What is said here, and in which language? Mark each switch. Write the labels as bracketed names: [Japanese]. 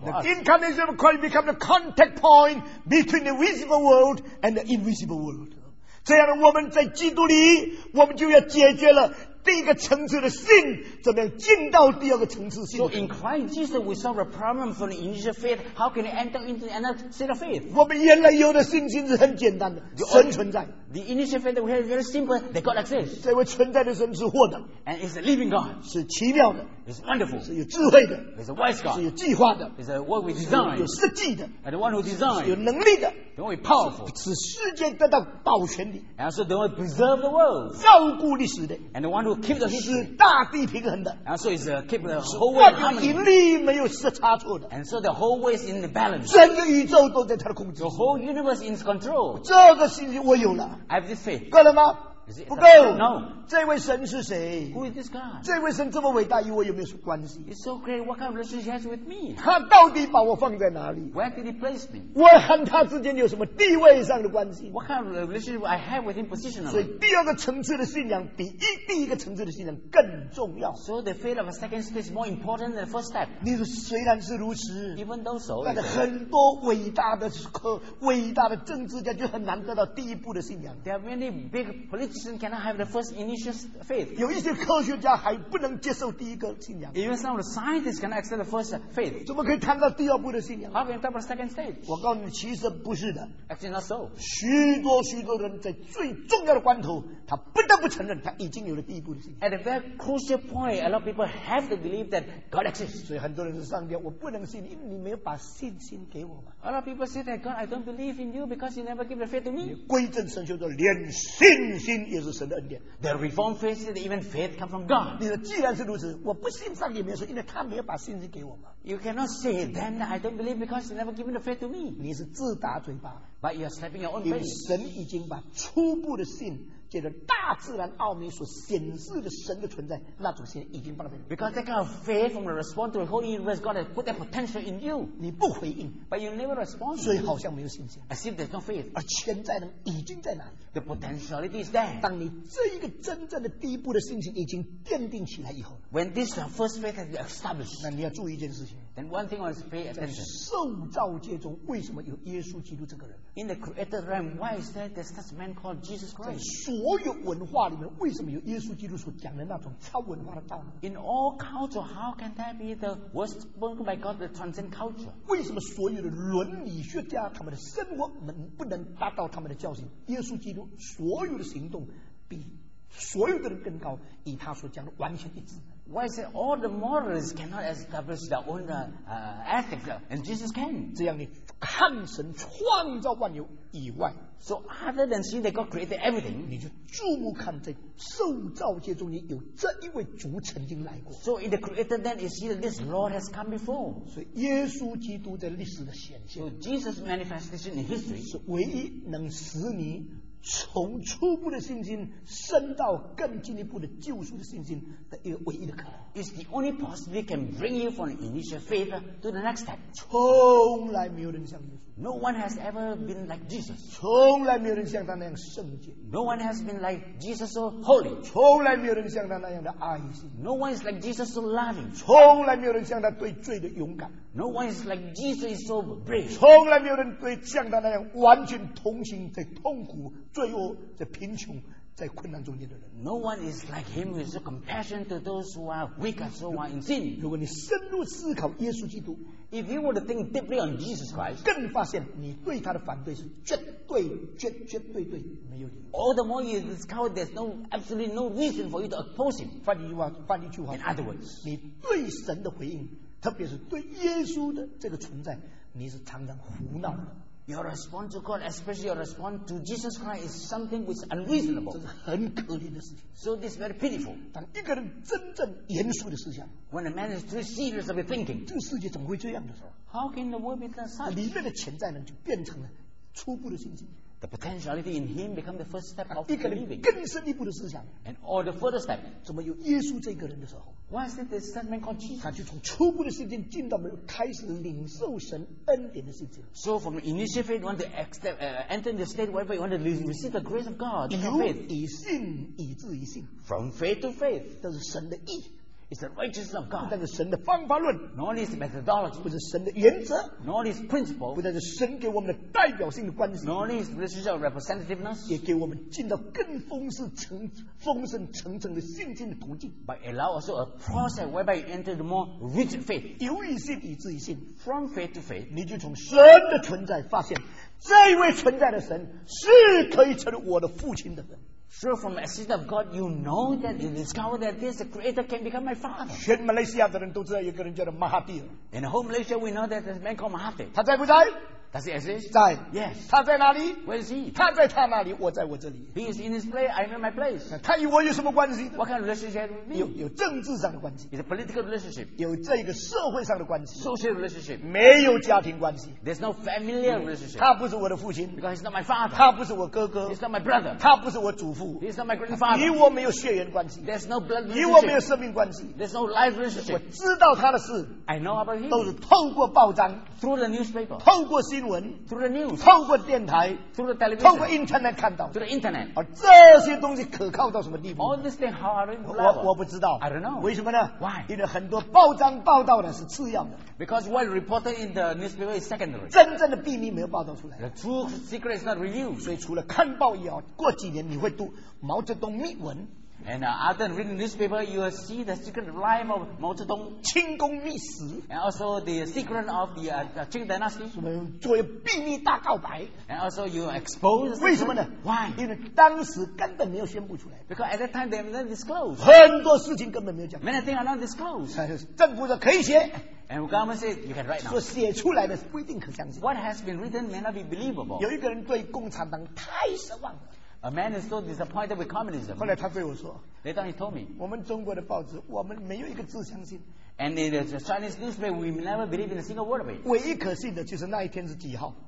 [English] The incarnation of Christ becomes the contact point Between the visible world and the invisible world [Chinese] 这样我们在基督里我们就要解决了第一个层次的信怎么样进到第二个层次信 [English] So in Christ Jesus we solve a problem from the initial faith How can it enter into another state of faith [Chinese] 我们原来有的信心是很简单的 [English] the only, [Chinese] 神存在 [English] The initial faith that we have is very simple that God exists [Chinese] 这位存在的神是活的 [English] And it's a living God [Chinese] 是奇妙的 [English] It's wonderful [Chinese] 是有智慧的 [English] It's a wise God [Chinese] 是有计划的 [English] It's a one who designed [Chinese] 有设计的 [English] And the one who designed [Chinese] 是有能力的 [English] The one who is powerful [Chinese] 使世界得到保全的 [English] And also the one who preserves the world [Chinese] 照顾历史的 [English] And the one who keep the [Chinese] 是大地平衡的 [English] ，and so it's a keep the whole way harmony. [Chinese] 引力没有失差错的 [English] ，and so the whole way is in the balance. [Chinese] 整个宇宙都在他的控制 [English] ，the whole universe is in control. [Chinese] 这个信心我有了 [English] ，I have this faith. [Chinese] 够了吗？不够。 [English] No. [Chinese] 这位神是谁？ [English] Who is this God? [Chinese] 这位神这么伟大，与我有没有关系？ [English] It's so great. What kind of relationship he has with me? [Chinese] 他到底把我放在哪里？ [English] Where did he place me? [Chinese] 我和他之间有什么地位上的关系？ [English] What kind of relationship I have with him positionally? [Chinese] 所以第二个层次的信仰比第一个层次的信仰更重要。 [English] So the faith of a second step is more important than the first step. [Chinese] 你说虽然是如此， [English] even though so, [Chinese] 但是很多伟大的伟大的政治家就很难得到第一步的信仰。 [English] There are many big politicians cannot have the first initial faith. [Chinese] 有一些科学家还不能接受第一个信仰。 [English] Even some of the scientists cannot accept the first faith. [Chinese] 怎么可以谈到第二步的信仰？ [English] How can you talk about the second stage? [Chinese] 我告诉你，其实不是的。 [English] Actually, not so. [Chinese] 许多许多人在最重要的关头，他不得不承认他已经有了第一步的信仰。 [English] At a very crucial point, a lot of people have to believe that God exists. [Chinese] 所以很多人是上吊，我不能信，因为你没有把信心给我嘛。 [English] A lot of people say that God, I don't believe in you because you never give the faith to me. [Chinese] 归正神学者连信心也是神的恩典。 [English] The Reformed faith says that even faith comes from God. [Chinese] 你说既然是如此，我不信上帝也没有说，因为他没有把信心给我嘛。 [English] You cannot say then that I don't believe because you never given the faith to me. [Chinese] 你是自打嘴巴。 [English] But you are slapping your own face. [Chinese] 因为神已经把初步的信借着大自然奥秘所显示的神的存在，那种信已经放在你。 [English] Because that kind of faith from the response to the whole universe, God has put that potential in you. [Chinese] 你不回应 [English] ，but you never respond. [Chinese] 所以好像没有信心。 [English] As if there's no faith. [Chinese] 而潜在呢，已经在哪里 [English] ？The potentiality is there. [Chinese] 当你这一个真正的第一步的信心已经奠定起来以后 [English] ，when this first faith has been established, [Chinese] 那你要注意一件事情。 [English] Then one thing was pay attention. [Chinese] 在受造界中，为什么有耶稣基督这个人 [English] ？In the created realm, why is there this such man called Jesus Christ? [Chinese] 在所有文化里面，为什么有耶稣基督所讲的那种超文化的道理 [English] ？In all culture, how can that be the words spoken by God, the transcend culture? [Chinese] 为什么所有的伦理学家他们的生活能不能达到他们的教训？耶稣基督所有的行动比所有的人更高，与他所讲的完全一致。 [English] Why is it all the morals cannot establish their own ethics and Jesus can? [Chinese] 这样你看神创造万有以外 [English] So other than seeing that God created everything [Chinese] 你就注目看在受造界中有这一位主曾经来过 [English] So in the creator then you see that this Lord has come before [Chinese] 所以耶稣基督在历史的显现 [English] So Jesus manifestation in history [Chinese] 是唯一能使你从初步的信心升到更进一步的救赎的信心的一个唯一的可能 [English] It's the only possibility can bring you from initial faith to the next step [Chinese] 从来没有人像耶稣 [English] No one has ever been like Jesus [Chinese] 从来没有人像他那样圣洁 [English] No one has been like Jesus so holy [Chinese] 从来没有人像他那样的爱心 [English] No one is like Jesus so loving [Chinese] 从来没有人像他对罪的勇敢 [English] No one is like Jesus is so brave [Chinese] 从来没有人对像他那样完全同情在痛苦罪恶在贫穷在困难中间的人 [English] No one is like him who is so compassionate to those who are weak and so on in sin [Chinese] 如果你深入思考耶稣基督 [English] If you were to think deeply on Jesus Christ [Chinese] 更发现你对他的反对是绝对绝绝对对没有理由 [English] All the more you discover there's no absolutely no reason for you to oppose him [Chinese] 翻一句话 [English] In other words [Chinese] 你对神的回应特别是对耶稣的这个存在你是常常胡闹的 [English] Your response to God, especially your response to Jesus Christ, is something which is unreasonable. [Chinese] 这是很可怜的事情。 [English] So this is very pitiful. [Chinese] 当一个人真正严肃的思想 [English] ，When a man is too serious of thinking, [Chinese] 这个世界怎么会这样的时候 [English] ？How can the world be such? [Chinese] 里面的潜在呢，就变成了初步的信心。 [English] The potentiality in him become the first step of believing. [Chinese] 更深一步的思想 [English] ，and all the further step. [Chinese] 怎么有耶稣这个人的时候 [English] ？Why is it this man called Jesus? [Chinese] 他就从初步的信心进到没有开始领受神恩典的信心。 [English] So from initial faith, you want to enter the state where you want to receive the grace of God. [Chinese] 以信以至于信 [English] ，from faith to faith. [Chinese] 这是神的义。 [English] It's the righteousness of God. [Chinese] 不但是神的方法论 [English] ，nor is methodology. [Chinese] 不是神的原则 [English] ，nor is principle. [Chinese] 不但是神给我们的代表性的关系 [English] ，nor is relationship representativeness. [Chinese] 也给我们进到更丰盛成的信心的途径。 [English] But allow also a process whereby you enter the more rich faith. [Chinese] 由于信以至于信 [English] ，from faith to faith. [Chinese] 你就从神的存在发现，这一位存在的神是可以成为我的父亲的神。 [English] So from the assistance of God, you know that you discover that this creator can become my father. [Chinese] 全马来西亚的人都知道有个人叫做马哈蒂尔。 [English] In the whole Malaysia, we know that there's a man called Mahathir. [Chinese] 他在不在？ [English] Does he exist? [Chinese] 在。 [English] Yes. [Chinese] 他在哪里？ [English] Where is he? [Chinese] 他在他那里，我在我这里。 [English] He is in his place. I'm in my place. [Chinese] 他与我有什么关系？ [English] What kind of relationship with me? [Chinese] 有政治上的关系。 [English] It's a political relationship. [Chinese] 有这个社会上的关系。 [English] Social relationship. [Chinese] 没有家庭关系。 [English] There's no familial relationship. [Chinese] 他不是我的父亲。 [English] Because he's not my father. [Chinese] 他不是我哥哥。 [English] He's not my brother. [Chinese] 他不是我祖父。 [English] He's not my grandfather. [Chinese] 与我没有血缘关系。 [English] There's no blood relationship. [Chinese] 与我没有生命关系。 [English] There's no life relationship. [Chinese] 我知道他的事。 [English] I know about him. [Chinese] 都是透过报章。 [English] Through the newspaper. [Chinese] 透过新闻。 [English] Through the news. [Chinese] 透过电台。 [English] Through the television. [Chinese] 透过 internet 看到。 [English] Through the internet. [Chinese] 而这些东西可靠到什么地方？ [English] All this thing, how are we reliable? [Chinese] 我不知道。 [English] I don't know. [Chinese] 为什么呢？ [English] Why? [Chinese] 因为很多报章报道的是次要的。 [English] Because what reported in the newspaper is secondary. [Chinese] 真正的秘密没有报道出来。 [English] The true secret is not revealed. [Chinese] 所以除了看报以后，过几年你会读毛泽东密文。 [English] And after reading the newspaper, you will see the secret life of Mao Zedong. [Chinese] 清宫秘史 [English] And also the secret of the Qing dynasty. [Chinese] 作为秘密大告白 [English] And also you will expose the secret. [Chinese] 为什么呢 [English] Why? [Chinese] 因为当时根本没有宣布出来 [English] Because at that time they didn't disclose. [Chinese] 很多事情根本没有讲 [English] Many things are not disclosed. [Chinese] 政府说可以写 [English] And the government said you can write now. [Chinese] 说写出来的不一定可相信 [English] What has been written may not be believable. [Chinese] 有一个人对共产党太失望了 [English] A man is so disappointed with communism. [Chinese] 后来他对我说 [English] Later he told me. [Chinese] 我们中国的报纸我们没有一个字相信 [English] And in the Chinese newspaper, we never believe in a single word of it. [Chinese] 唯一可信的就是那一天是几号